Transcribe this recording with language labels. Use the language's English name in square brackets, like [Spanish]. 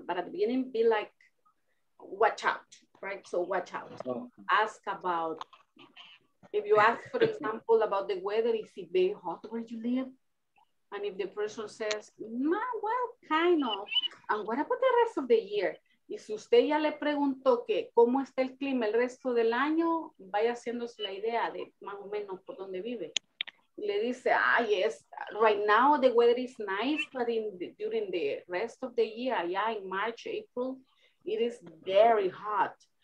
[English] But at the beginning, be like, watch out, right? So watch out. Oh. Ask about, if you ask, for example, about the weather, is it very hot where you live? And if the person says, well, kind of. And what about the rest of the year? [Spanish] Y si usted ya le preguntó que cómo está el clima el resto del año, vaya haciéndose la idea de más o menos por dónde vive. Le dice, [English] yes, right now the weather is nice, but during the rest of the year, in March, April, it is very hot.